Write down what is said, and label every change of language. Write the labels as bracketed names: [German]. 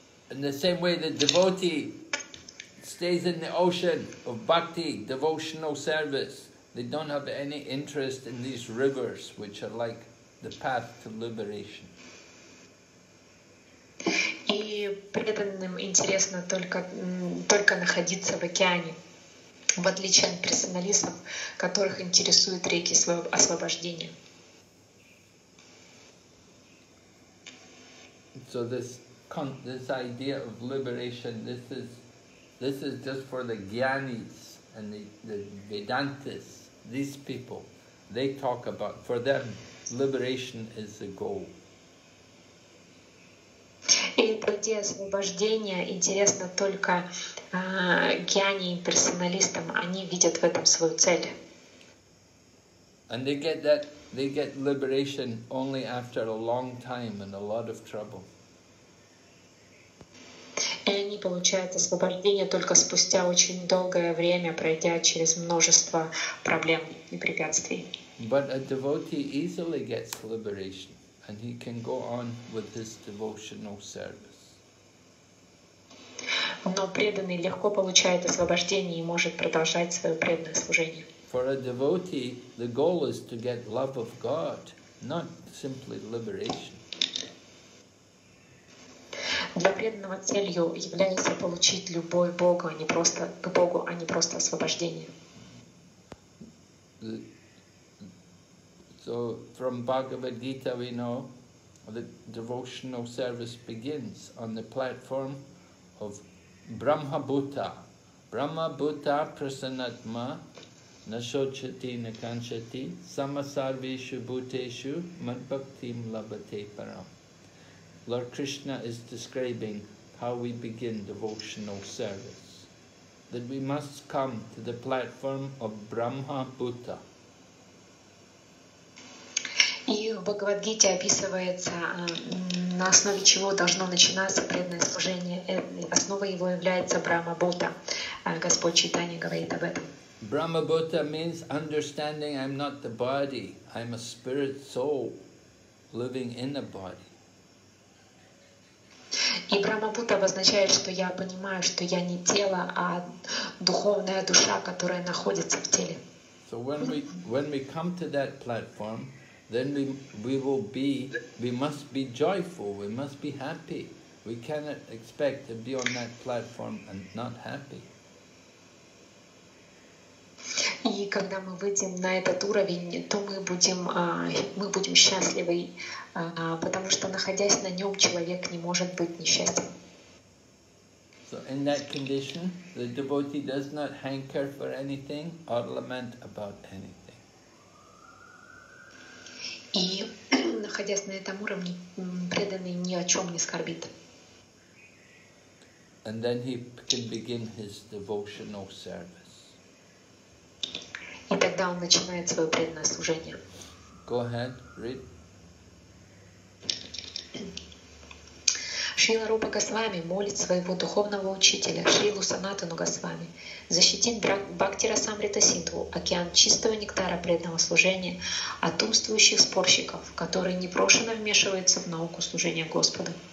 [English] In the same way, the devotee stays in the ocean of bhakti, devotional service. They don't have any interest in these rivers, which are like the path to liberation. [Russian] И преданным интересно только находиться в океане, в отличие от персоналистов, которых интересуют реки освобождения. [English] So this idea of liberation, this is just for the jnanis and the Vedantists, these people, they talk about, for them, liberation is the goal. [Russian] И идея освобождения интересна только гьяни и имперсоналистам. Они видят в этом свою цель. [English] And they get that, they get liberation only after a long time and a lot of trouble. [Russian] И они получают освобождение только спустя очень долгое время, пройдя через множество проблем и препятствий. [English] But a devotee easily gets liberation, and he can go on with his devotional service. [Russian] Но преданный легко получает освобождение и может продолжать свое преданное служение. [English] For a devotee, the goal is to get love of God, not simply liberation. [Russian] Для преданного целью является получить любовь Бога, а не просто к Богу, а не просто освобождение. [English] So from Bhagavad Gita we know the devotional service begins on the platform of Brahma Bhuta. [Sanskrit] Brahma Bhuta Prasanatma Nashochati Nakanchati Samasarveshu Bhuteshu Madbhaktim Labhate Param. [English] Lord Krishna is describing how we begin devotional service. That we must come to the platform of Brahma Bhuta. [Russian] И в Бхагавад-гите описывается, на основе чего должно начинаться преданное служение. Основа его является Брахма-бхута. Господь Чайтанья говорит об этом. [English] Брахма-бхута means understanding I'm not the body, I'm a spirit soul living in a body. [Russian] И Брахма-бхута обозначает, что я понимаю, что я не тело, а духовная душа, которая находится в теле. [English] So when we come to that platform, then we must be joyful, we must be happy. We cannot expect to be on that platform and not happy. [Russian] И когда мы выйдем на этот уровень, то мы будем счастливы, потому что находясь на нем, человек не может быть несчастен. [English] So in that condition, the devotee does not hanker for anything or lament about anything. [Russian] И, находясь на этом уровне, преданный ни о чем не скорбит. [English] And then he can begin his devotional service. [Russian] И тогда он начинает свое преданное служение. [English] Go ahead, read. [Russian] Шрила Рупа Госвами молит своего духовного учителя, Шрилу Санатану Госвами, защитим Бхакти Расамрита Синдху, океан чистого нектара преданного служения от умствующих спорщиков, которые непрошено вмешиваются в науку служения Господу.